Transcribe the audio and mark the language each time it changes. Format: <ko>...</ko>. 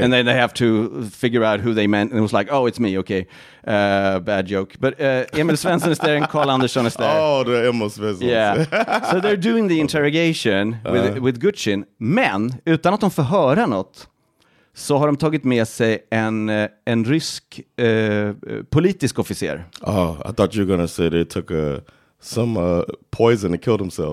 <en>And then they have to figure out who they meant. And it was like, oh, it's me. Okay. Bad joke. But Emil Svensson is there and Carl Andersson is there. Oh, the Emil Svensson. Yeah. So they're doing the interrogation with Gutschin.</en> <sv>Men utan att de får höra något så har de tagit med sig en rysk politisk officer.</sv> <en>Oh, I thought you were going to say they took some poison and killed themselves.</en>